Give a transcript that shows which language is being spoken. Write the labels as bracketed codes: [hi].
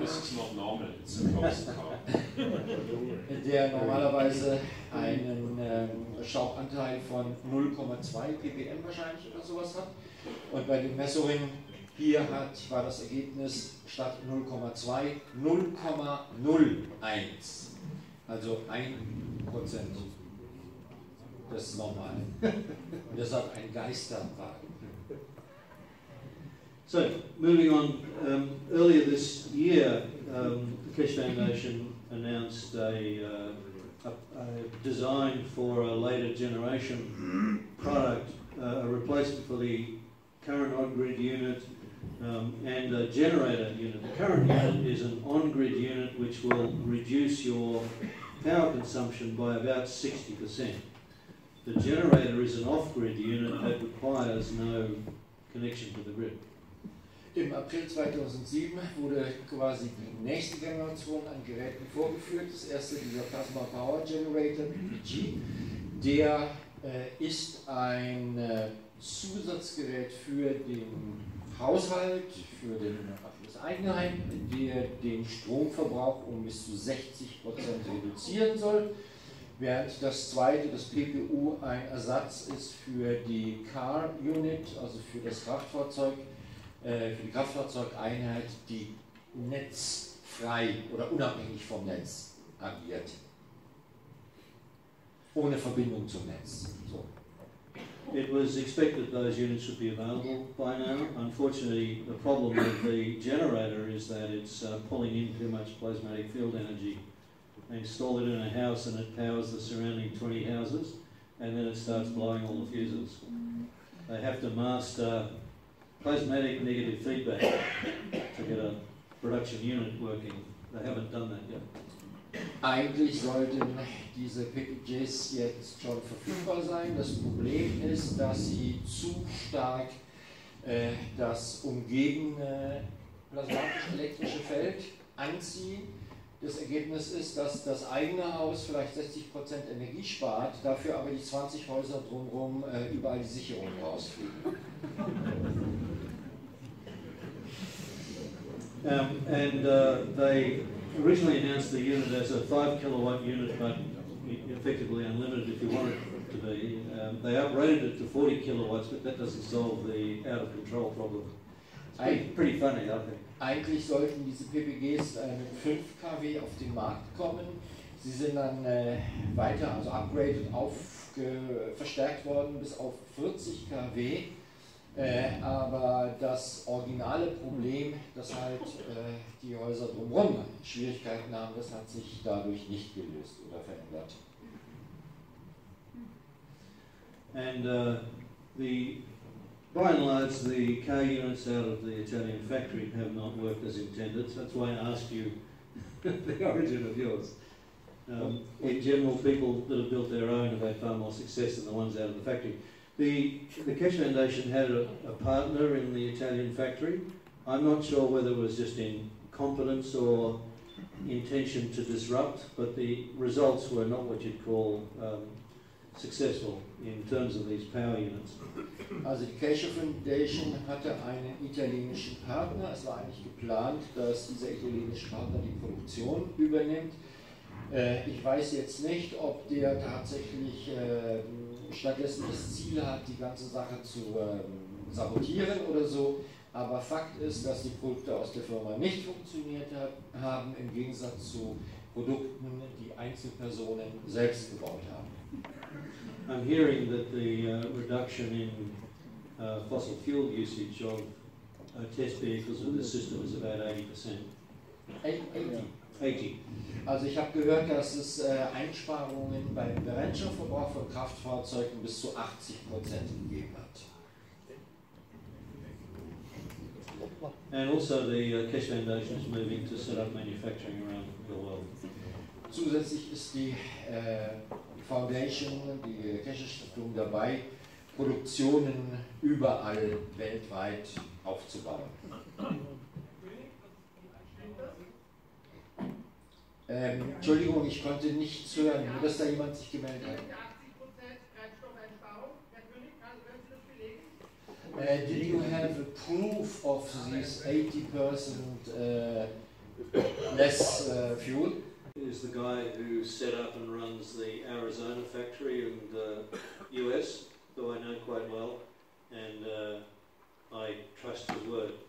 [en] this is not normal, it's a closed car. [de] Der normalerweise einen Schaubanteil von 0,2 ppm wahrscheinlich oder sowas hat. Und bei den Messungen hier war das Ergebnis statt 0,2 0,01. Also 1%. Das ist normal. Und deshalb ein Geisterwagen. [en] So, moving on. Earlier this year, the Keshe Foundation announced a design for a later generation product, a replacement for the current on-grid unit and a generator unit. The current unit is an on-grid unit which will reduce your power consumption by about 60%. The generator is an off-grid unit that requires no connection to the grid. [de] Im April 2007 wurde quasi die nächste Generation an Geräten vorgeführt. Das erste, dieser Plasma Power Generator, PG, der ist ein Zusatzgerät für den Haushalt, für das eigene Heim, der den Stromverbrauch um bis zu 60% reduzieren soll. Während das zweite, das PPU, ein Ersatz ist für die Car Unit, also für das Kraftfahrzeug, für die Kraftfahrzeugeinheit, die netzfrei oder unabhängig vom Netz agiert. Ohne Verbindung zum Netz. So. [en] It was expected those units would be available by now. Unfortunately, the problem with the generator is that it's pulling in too much plasmatic field energy. They install it in a house and it powers the surrounding 20 houses, and then it starts blowing all the fuses. They have to master plasmatic negative feedback to get a production unit working. They haven't done that yet. [de] Eigentlich sollten diese PPJs jetzt schon verfügbar sein. Das Problem ist, dass sie zu stark das umgebende plasmatisch-elektrische Feld anziehen. Das Ergebnis ist, dass das eigene Haus vielleicht 60% Energie spart, dafür aber die 20 Häuser drumherum überall die Sicherung rausfliegen. [en] Originally announced the unit as a 5 kilowatt unit, but effectively unlimited if you want it to be. They upgraded it to 40 kilowatts, but that doesn't solve the out of control problem. It's pretty funny, I think. [de] Eigentlich sollten diese PPGs mit 5 kW auf den Markt kommen. Sie sind dann weiter, also upgraded, verstärkt worden bis auf 40 kW. Aber das originale Problem, dass halt die Häuser drumherum Schwierigkeiten haben, das hat sich dadurch nicht gelöst oder verändert. [en] And by and large, the car units out of the Italian factory have not worked as intended. So that's why I asked you the origin of yours. In general, people that have built their own have had far more success than the ones out of the factory. The Keshe Foundation had a partner in the Italian factory. I'm not sure whether it was just incompetence or intention to disrupt, but the results were not what you'd call successful in terms of these power units. [de] Also die Keshe Foundation hatte einen italienischen Partner. Es war eigentlich geplant, dass dieser italienische Partner die Produktion übernimmt. Ich weiß jetzt nicht, ob der tatsächlich stattdessen das Ziel hat, die ganze Sache zu sabotieren oder so. Aber Fakt ist, dass die Produkte aus der Firma nicht funktioniert haben, im Gegensatz zu Produkten, die Einzelpersonen selbst gebaut haben. [en] I'm hearing that the reduction in fossil fuel usage of test vehicles with this system is about 80%. 80. [de] Also ich habe gehört, dass es Einsparungen beim Brennstoffverbrauch von Kraftfahrzeugen bis zu 80% gegeben hat. [en] And also the Keshe Foundation is moving to set up manufacturing around the world. [de] Zusätzlich ist die Foundation, die Keshe Stiftung dabei, Produktionen überall weltweit aufzubauen. Entschuldigung, ich konnte nichts hören, nur dass da jemand sich gemeldet hat. 80% Brennstoffeinsparung, Herr König, können Sie das belegen? [en] Did you have a proof of this 80% less fuel? Is the guy who set up and runs the Arizona factory in the US, who I know quite well, and I trust his word.